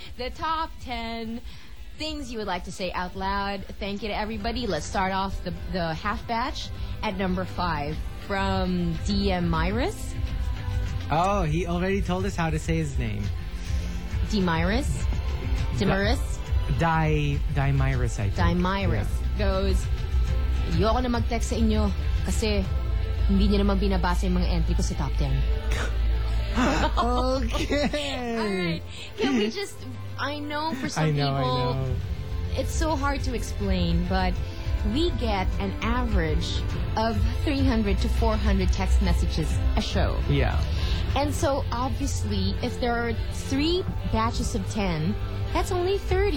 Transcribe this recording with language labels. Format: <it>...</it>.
<en>The top 10 things you would like to say out loud. Thank you to everybody. Let's start off the half batch at number 5 from DM Myris. Oh, he already told us how to say his name. Dimyris? Dimyris? Dimyris, I think.</en> <tl>Dimyris goes, yo ako na mag-text sa inyo kasi hindi niya naman binabasa yung mga entry ko sa top 10.</tl> <en>Okay. All right. Can we just... I know for some I know, people, I know. it's so hard to explain, but we get an average of 300 to 400 text messages a show. Yeah. And so, obviously, if there are three batches of 10, that's only 30.</en>